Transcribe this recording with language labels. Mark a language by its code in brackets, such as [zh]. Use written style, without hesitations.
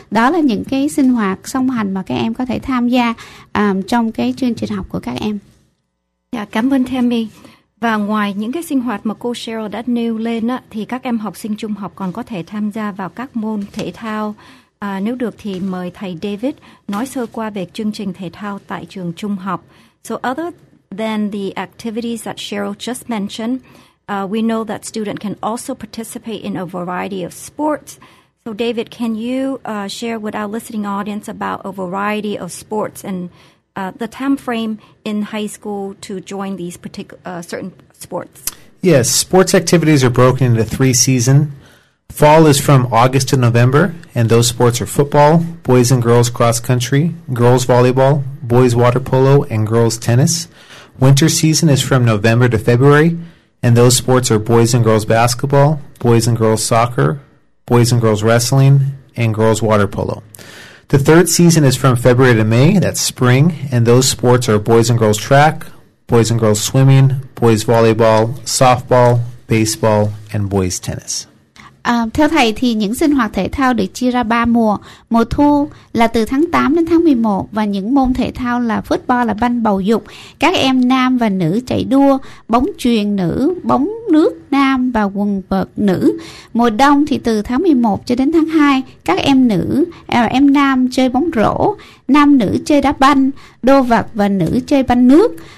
[vi] Đó là những cái sinh hoạt song hành mà các em có thể tham gia trong cái chương trình học của các em. Dạ, cảm ơn Tammy. Và ngoài những cái sinh hoạt mà cô Cheryl đã nêu lên á, thì các em học sinh trung học còn có thể tham gia vào các môn thể thao. À, nếu được thì mời thầy David nói sơ qua về chương trình thể thao tại trường trung học. [en] So other than the activities that Cheryl just mentioned, we know that students can also participate in a variety of sports. So David, can you share with our listening audience about a variety of sports and the time frame in high school to join these certain sports? Yes, sports activities are broken into three seasons. Fall is from August to November, and those sports are football, boys and girls cross country, girls volleyball, boys water polo, and girls tennis. Winter season is from November to February, and those sports are boys and girls basketball, boys and girls soccer, boys and girls wrestling, and girls water polo. The third season is from February to May, that's spring, and those sports are boys and girls track, boys and girls swimming, boys volleyball, softball, baseball, and boys tennis. [vi] Theo thầy thì những sinh hoạt thể thao được chia ra 3 mùa. Mùa thu là từ tháng 8 đến tháng 11 và những môn thể thao là football, là banh bầu dục. Các em nam và nữ chạy đua, bóng chuyền nữ, bóng nước nam và quần vợt nữ. Mùa đông thì từ tháng 11 cho đến tháng 2, các em nữ, em nam chơi bóng rổ, nam nữ chơi đá banh, đô vật và nữ chơi banh nước.